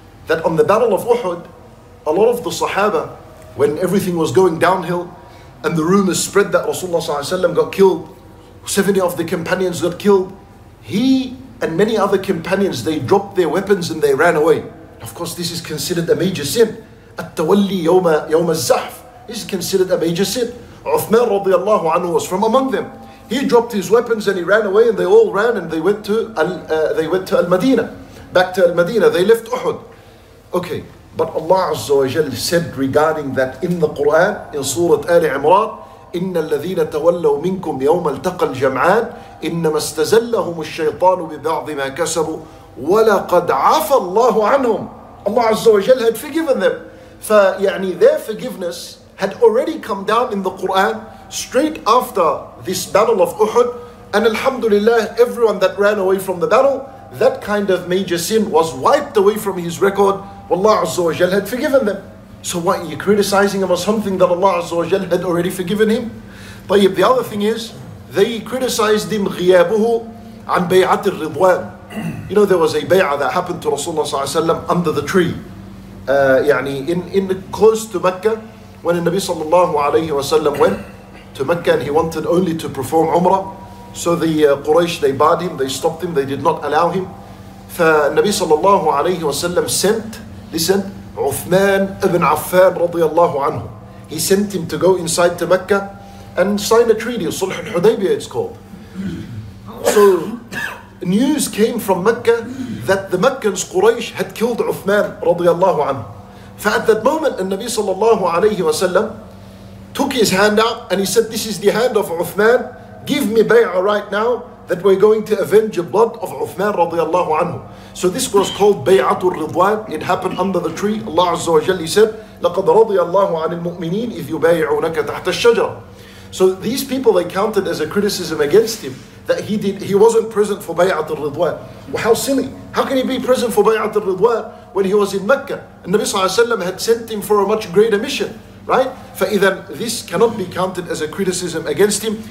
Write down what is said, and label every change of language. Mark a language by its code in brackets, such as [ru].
[en] That on the Battle of Uhud, a lot of the Sahaba, when everything was going downhill and the rumors spread that Rasulullah Sallallahu Alaihi Wasallam got killed, 70 of the companions got killed, he and many other companions, they dropped their weapons and they ran away. Of course, this is considered a major sin. [ar] At-tawalli yawma al-zahf. [en] This is considered a major sin. Uthman radiallahu anhu was from among them. He dropped his weapons and he ran away and they all ran and they went to Al-Madinah. Back to Al-Madinah, they left Uhud. Okay, but Allah Azza wa Jal said regarding that in the Quran, in Surah Ali Imran, [ar] إِنَّ الَّذِينَ تَوَلَّوْا مِنْكُمْ يَوْمَ الْتَقَى الْجَمْعَانِ إِنَّمَا اسْتَزَلَّهُمُ الشَّيْطَانُ بِبَعْضِ مَا كَسَبُوا وَلَقَدْ عَفَى اللَّهُ عَنْهُمْ. [en] Allah Azza wa Jal had forgiven them. فيعني their forgiveness had already come down in the Quran straight after this battle of Uhud. And alhamdulillah, everyone that ran away from the battle, that kind of major sin was wiped away from his record. Allah Azza wa Jal had forgiven them. So why are you criticizing him of something that Allah Azza wa Jal had already forgiven him? طيب, the other thing is, they criticized him [ar] غيابه عن بيعت الرضوان. [en] You know, there was a bay'ah that happened to Rasulullah صلى الله عليه وسلم under the tree. يعني in close to Mecca, when the Nabi صلى الله عليه وسلم went to Mecca and he wanted only to perform Umrah. So the Quraysh, they barred him, they stopped him, they did not allow him. فالنبي صلى الله عليه وسلم sent, listen, Uthman ibn Affan رضي الله عنه. He sent him to go inside to Mecca and sign a treaty, Sulh al-Hudaybiyah it's called. So news came from Mecca that the Meccans, Quraysh, had killed Uthman رضي الله عنه. فAt that moment, النبي صلى الله عليه وسلم took his hand out and he said, this is the hand of Uthman, give me bay'ah right now that we're going to avenge the blood of Uthman radiallahu anhu. So this was called bay'atul ridwan. It happened under the tree. Allah Azza wa Jalla said, [ar] لَقَدْ رَضِيَ اللَّهُ عَنِ الْمُؤْمِنِينَ إِذْ يُبَايِعُونَكَ تَحْتَ الشَّجَرَ. [en] So these people, they counted as a criticism against him that he wasn't present for bay'atul ridwan. Well, how silly. How can he be present for bay'atul ridwan when he was in Mecca? And Nabi Sallallahu Alaihi Wasallam had sent him for a much greater mission. Right? فَإِذَا this cannot be counted as a criticism against him.